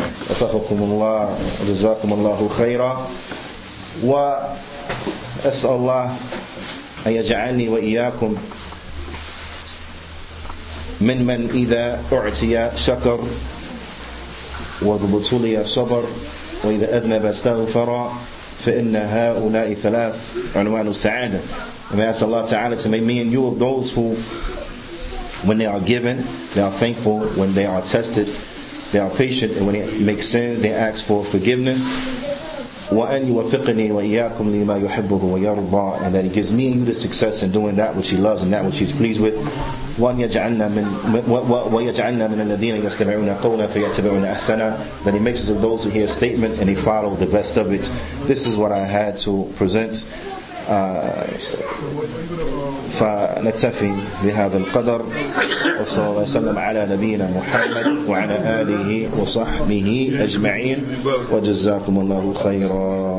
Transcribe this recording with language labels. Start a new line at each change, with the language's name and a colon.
Arabic: أتقكم الله جزاكم الله خيرا وأسأل الله أن يجعلني وإياكم ممن إذا أعطي شكر وابتلي صبر وإذا أذنب استغفر فإن هؤلاء ثلاث عنوان السعادة.
English: May I ask Allah Ta'ala to make me and you of those who, when they are given, they are thankful. When they are tested, they are patient, and when it makes sense, they ask for forgiveness.
Arabic: وَأَنْ يُوَفِقْنِي وَإِيَّاكُمْ لِمَا يُحِبُّهُ وَيَرْضَى.
English: And that He gives me and you the success in doing that which He loves and that which He's pleased with.
Arabic: وَيَجْعَلْنَا مِنَ الَّذِينَ يَسْتَمِعُونَ قَوْلًا فَيَتَّبِعُونَ أَحْسَنًا.
English: That He makes us of those who hear a statement and He follow the best of it. This is what I had to present.
Arabic: فنتفي بهذا القدر وصلى الله وسلم على نبينا محمد وعلى آله وصحبه أجمعين وجزاكم الله خيرا.